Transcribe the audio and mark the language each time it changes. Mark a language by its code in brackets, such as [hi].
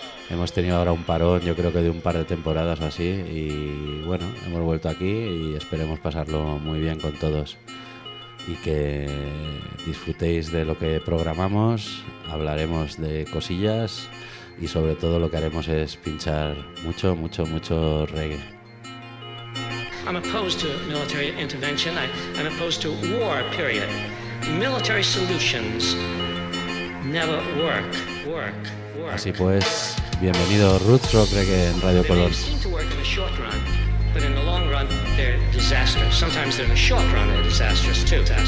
[es] Hemos tenido ahora un parón, yo creo que de un par de temporadas o así, y bueno, hemos vuelto aquí y esperemos pasarlo muy bien con todos y que disfrutéis de lo que programamos. Hablaremos de cosillas y sobre todo lo que haremos es pinchar mucho, mucho, mucho reggae. [en] I'm opposed to military intervention. I'm opposed to war, period. Military solutions never work. [es] Así pues, bienvenido Roots Rock Reggae en Radio Color. [en] They seem to work in the short run, but in the long run they're disastrous. Sometimes they're in the short run they're disastrous too.